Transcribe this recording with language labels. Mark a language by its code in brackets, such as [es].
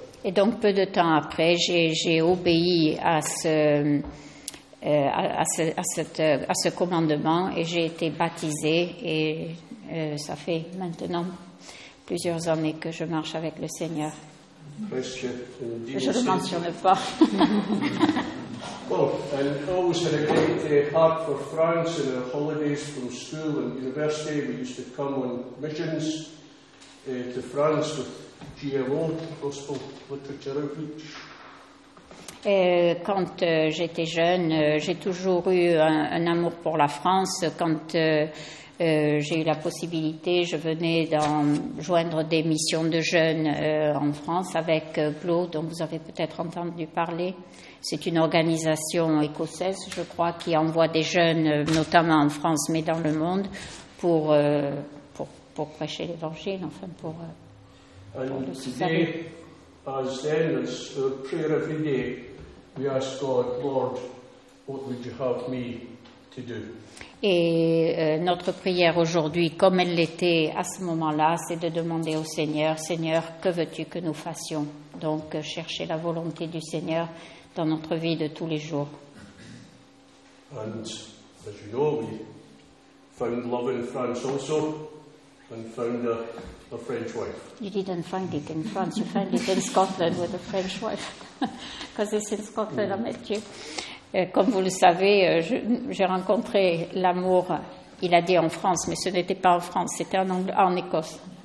[fr] Et donc peu de temps après, j'ai obéi à ce commandement et j'ai été baptisé et ça fait maintenant plusieurs années que je marche avec le Seigneur. [en] Christian, [fr] je ne le mentionne pas. [en] Well, and I always had a great heart for France in our holidays from school and university. We used to come on missions to France with GLO, Gospel Literature Outreach. [fr] Quand j'étais jeune, j'ai toujours eu un amour pour la France. Quand j'ai eu la possibilité, je venais d'en joindre des missions de jeunes en France avec GLO, dont vous avez peut-être entendu parler. C'est une organisation écossaise, je crois, qui envoie des jeunes, notamment en France, mais dans le monde, pour prêcher l'Évangile, enfin pour le soutenir. [en] As then, as our prayer every day, we ask God, Lord, what would you have me to do? [fr] Et notre prière aujourd'hui, comme elle l'était à ce moment-là, c'est de demander au Seigneur, Seigneur, que veux-tu que nous fassions? Donc, chercher la volonté du Seigneur dans notre vie de tous les jours. [en] And as you know, we found love in France also, and found a French wife. You didn't find it in France, you found it in Scotland with a French wife. Because it's in Scotland, yeah. I met you. [fr] Comme vous le savez, j'ai rencontré l'amour, il a dit en France, mais ce n'était pas en France, c'était en Écosse.